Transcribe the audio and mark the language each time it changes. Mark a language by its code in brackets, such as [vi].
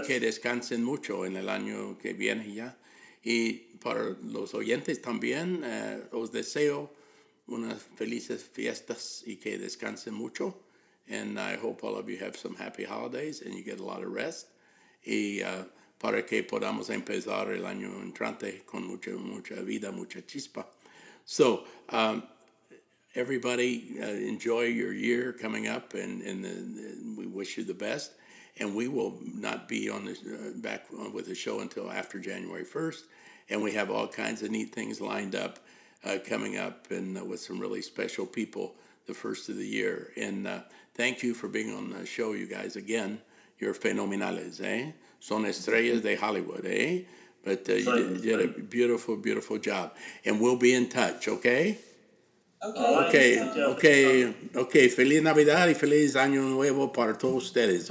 [es] Y que descansen mucho en el año que viene ya. Y para los oyentes también, os deseo unas felices fiestas y que descansen mucho. [en] And I hope all of you have some happy holidays and you get a lot of rest. [es] Y para que podamos empezar el año entrante con mucha, mucha vida, mucha chispa. [en] So, everybody, enjoy your year coming up, and we wish you the best. And we will not be on the back with the show until after January 1st. And we have all kinds of neat things lined up coming up, and with some really special people the first of the year. And thank you for being on the show, you guys, again. You're [es] fenomenales, eh? Son estrellas de Hollywood, eh? [en] But you did a beautiful, beautiful job. And we'll be in touch, okay? Okay. [es] Feliz Navidad y feliz año nuevo para todos ustedes.